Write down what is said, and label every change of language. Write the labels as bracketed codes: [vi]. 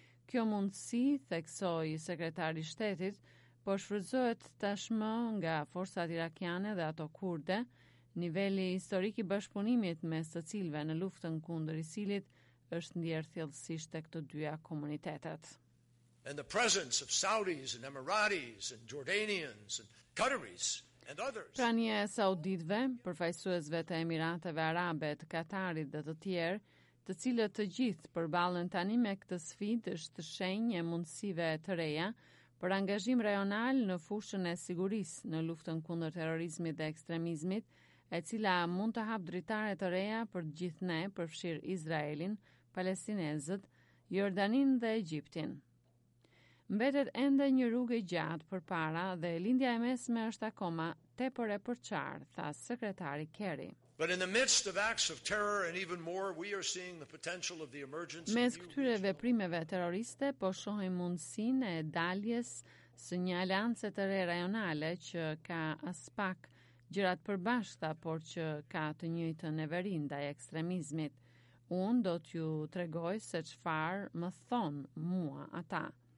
[sq] Kjo mundësi, theksoi sekretari i shtetit, po shfrytëzohet tashmë nga forcat irakiane dhe ato kurde. Niveli historik i bashkëpunimit mes të cilëve në luftën kundër ISIL-it është ndjerë thellësisht tek të dyja komunitetet. [en] And the presence of Saudis and Emiratis and Jordanians and Qataris and others. [sq] Prania e Sauditëve, përfaqësuesve të Emirateve Arabe, të Katarit dhe të tjerë, të cilët të gjithë përballen tani me këtë sfidë, është shenjë e mundësive të reja për angazhim rajonal në fushën e sigurisë në luftën kundër terrorizmit dhe ekstremizmit, e cila mund të hapë dritare të reja për të gjithë ne, përfshirë Izraelin, Palestinezët, Jordanin dhe Egjiptin. Mbetet ende një rrugë gjatë për para dhe lindja e mesme është akoma tepër e përqarë, tha sekretari Kerry. [en] But in the midst of acts of terror and even more, we are seeing the potential of the emergence of new regional... [sq] Mes këtyre veprimeve terroriste, po shohim mundësinë e daljes së një aliancë të re rajonale që ka aspak gjërat përbashkëta, por që ka të njëjtën everin ndaj ekstremizmit. Unë do t'ju tregoj se çfarë më thonë mua ata.